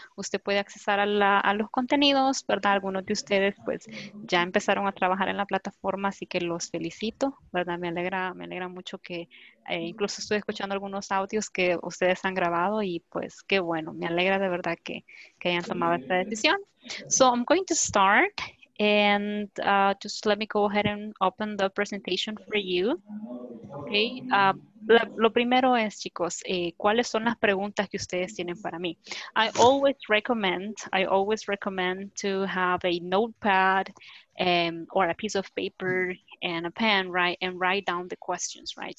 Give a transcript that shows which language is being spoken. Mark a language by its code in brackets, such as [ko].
[es] Usted puede accesar a los contenidos, ¿verdad? Algunos de ustedes, pues, ya empezaron a trabajar en la plataforma, así que los felicito, ¿verdad? Me alegra mucho que, incluso estoy escuchando algunos audios que ustedes han grabado y, pues, qué bueno, me alegra de verdad que hayan tomado esta decisión. [en] So, I'm going to start, and just let me go ahead and open the presentation for you. [es] Okay, lo primero es, chicos, ¿cuáles son las preguntas que ustedes tienen para mí? [en] I always recommend to have a notepad or a piece of paper and a pen, right? And write down the questions, right?